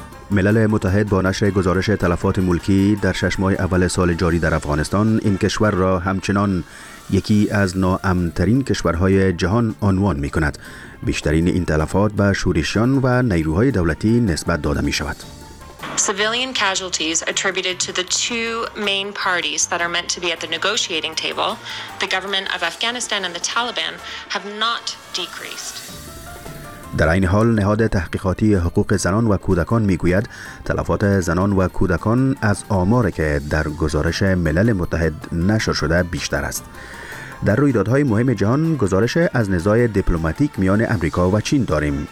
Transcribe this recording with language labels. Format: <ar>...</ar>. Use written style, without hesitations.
<fa>ملل متحد با نشر گزارش تلفات ملکی در 6 ماه اول سال جاری در افغانستان، این کشور را همچنان یکی از ناامن‌ترین کشورهای جهان عنوان می کند. بیشترین این تلفات به شورشیان و نیروهای دولتی نسبت داده می شود.</fa> <en>Civilian casualties attributed to the two main parties that are meant to be at the negotiating table, the government of Afghanistan and the Taliban, have not decreased.</en> <fa>در این حال نهاد تحقیقاتی حقوق زنان و کودکان میگوید تلفات زنان و کودکان از آماری که در گزارش ملل متحد نشر شده بیشتر است. در رویدادهای مهم جهان گزارش از نزاع دیپلماتیک میان آمریکا و چین داریم.</fa>